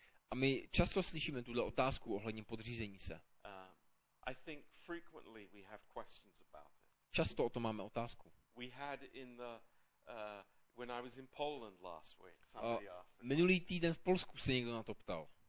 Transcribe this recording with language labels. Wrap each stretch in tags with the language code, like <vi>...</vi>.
<cs>A my často slyšíme tuhle otázku ohledně podřízení se.</cs> <en>I think frequently we have questions about it.</en> <cs>Často o tom máme otázku.</cs> <en>We had in the when I was in Poland last week, somebody asked.</en> <cs>Minulý týden v Polsku se někdo na to ptal.</cs>